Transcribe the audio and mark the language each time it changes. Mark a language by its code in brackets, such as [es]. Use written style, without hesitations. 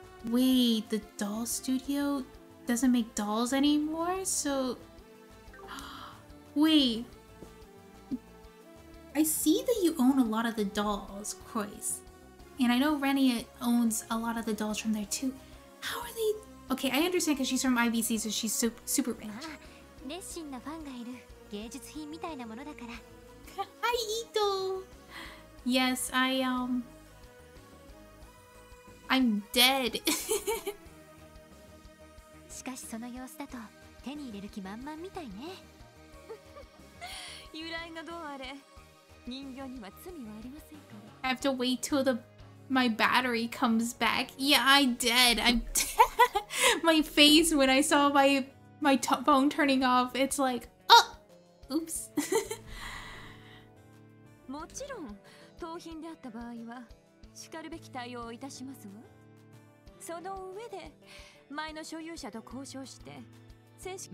[en] Wait, the doll studio doesn't make dolls anymore? So... Wait... I see that you own a lot of the dolls, Croyce. And I know Rania owns a lot of the dolls from there too. How are they... Okay, I understand because she's from IBC, so she's super rich. Ah, [ja] 熱心なファンがいる芸術品みたいなものだから。 [en] Hi, Ito! Yes, I'm dead. [ja] しかしその様子だと手に入れる気満々みたいね。由来がどうあれ、人形には罪はありませんから。 [en] I have to wait till my battery comes back. Yeah, I'm dead. My face when I saw my phone turning off, it's like, oh! Oops. [ja] もちろん、盗品であった場合は、しかるべき対応をいたしますわ。その上で、前の所有者と交渉して、正式